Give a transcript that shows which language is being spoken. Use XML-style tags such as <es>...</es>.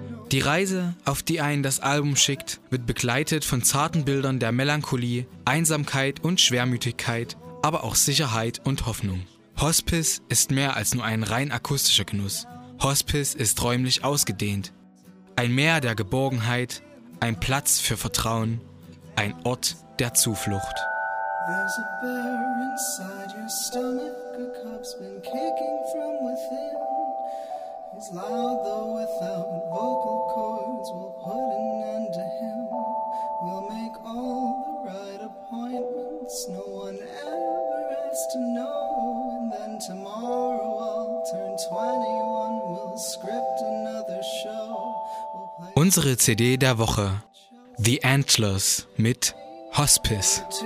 <de>Die Reise, auf die einen das Album schickt, wird begleitet von zarten Bildern der Melancholie, Einsamkeit und Schwermütigkeit, aber auch Sicherheit und Hoffnung. Hospice ist mehr als nur ein rein akustischer Genuss. Hospice ist räumlich ausgedehnt. Ein Meer der Geborgenheit, ein Platz für Vertrauen, ein Ort der Zuflucht.</de> <en>There's a bear inside your stomach, a cop's been kicking from within. He's loud though without vocal cords, we'll put an end to him. We'll make all the right appointments, no one ever has to know. And then tomorrow I'll turn 21, we'll script another show.</en> <de>Unsere CD der Woche, The Antlers mit Hospice.</de>